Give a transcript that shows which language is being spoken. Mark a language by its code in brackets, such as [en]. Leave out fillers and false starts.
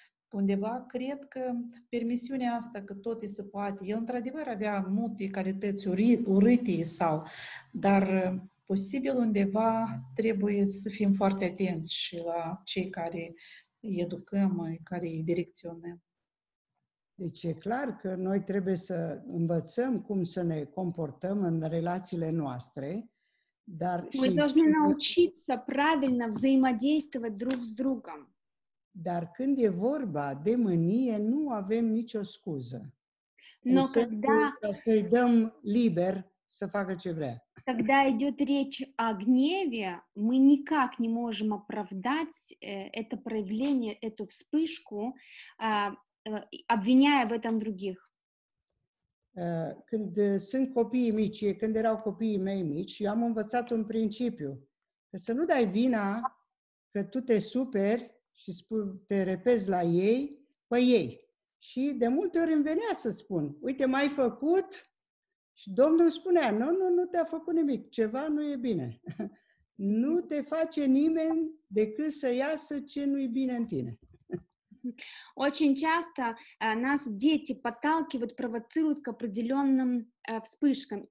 [ro] Undeva, cred că permisiunea asta, că tot îi se poate, el într-adevăr avea multe calități urâte sau, dar posibil undeva trebuie să fim foarte atenți și la cei care îi educăm, care îi direcționăm. Deci e clar că noi trebuie să învățăm cum să ne comportăm în relațiile noastre. Dar [ru] мы должны научиться правильно взаимодействовать друг с другом. [ro] Dar când e vorba de mânie, nu avem nicio scuză. [ru] Но когда [ro] să-i dăm liber să facă ce vrea. [ru] Когда идёт речь о гневе, мы никак не можем оправдать это проявление, эту вспышку, обвиняя в этом других. [ro] Când sunt copii mici, când erau copiii mei mici, eu am învățat un principiu. Că să nu dai vina că tu te superi și te repezi la ei, pe ei. Și de multe ori îmi venea să spun, uite, m-ai făcut? Și Domnul spunea, nu te-a făcut nimic, ceva nu e bine. Nu te face nimeni decât să iasă ce nu-i bine în tine. [ru] Очень часто нас дети подталкивают, провоцируют к определенным вспышкам.